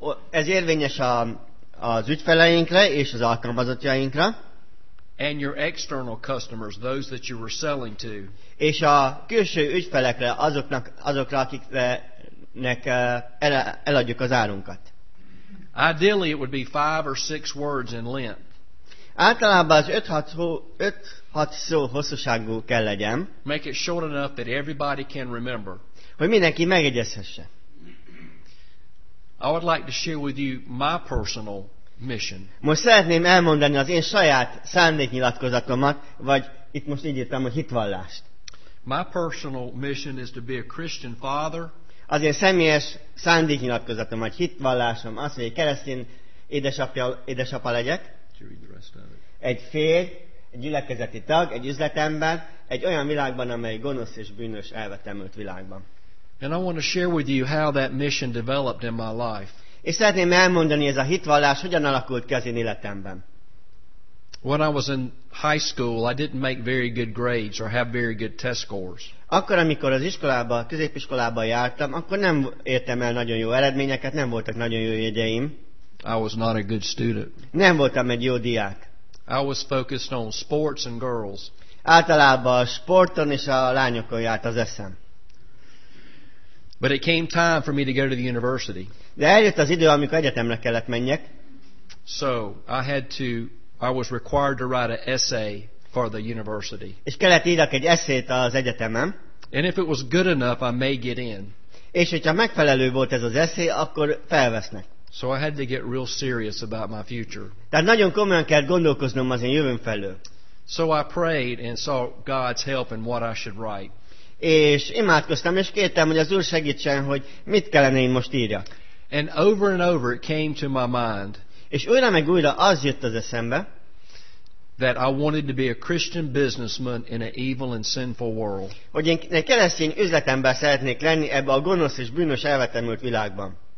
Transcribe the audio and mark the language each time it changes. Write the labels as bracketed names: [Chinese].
[Hungarian] Ez érvényes az ügyfeleinkre és az alkalmazottjainkra. [English] And your external customers, those that you were selling to. [Hungarian] És a külső ügyfelekre, azokra, akiknek eladjuk az árunkat. [English] Ideally it would be 5 or 6 words in length. [Hungarian] Általában az 5-6 szó hosszúságú kell legyen. [English] Make it short enough that everybody can remember. [Hungarian] Hogy mindenki megegyezhesse. [English] I would like to share with you my personal mission. [Hungarian] Most szeretném elmondani az én saját szándéknyilatkozatomat, vagy itt most így írtam, hogy hitvallást. [English] My personal mission is to be a Christian father. [Hungarian] az én személyes szándéknyilatkozatom, vagy hitvallásom, az, hogy keresztény édesapa legyek, egy férj, egy gyülekezeti tag, egy üzletember, egy olyan világban, amely gonosz és bűnös elvetemült világban. [English] And I want to share with you how that mission developed in my life. [Hungarian] És szeretném elmondani, ez a hitvallás hogyan alakult ki az én életemben. [English] When I was in high school, I didn't make very good grades or have very good test scores. [Hungarian] Akkor, amikor az iskolába, középiskolába jártam, akkor nem értem el nagyon jó eredményeket, nem voltak nagyon jó jegyeim. [English] I was not a good student. [Hungarian] Nem voltam egy jó diák. [English] I was focused on sports and girls. [Hungarian] Általában a sporton és a lányokon járt az eszem. [English] But it came time for me to go to the university. [Hungarian] De eljött az idő, amikor egyetemre kellett menjek. [English] So, I was required to write an essay for the university. [Hungarian] És kellett írjak egy eszét az egyetemen. [English] And if it was good enough, I may get in. [Hungarian] És hogyha megfelelő volt ez az eszé, akkor felvesznek. [English] So I had to get real serious about my future. [Hungarian] Tehát nagyon komolyan kellett gondolkoznom az én jövőm felől. [English] So I prayed and sought God's help in what I should write. [Hungarian] És imádkoztam és kértem, hogy az Úr segítsen, hogy mit kellene én most írjak. [English] And over it came to my mind. [Hungarian] És újra meg újra az jött az eszembe, [English] that I wanted to be a Christian businessman in an evil and sinful world. [Hungarian] Hogy én egy keresztény üzletember szeretnék lenni ebbe a gonosz és bűnös elvetemült világban.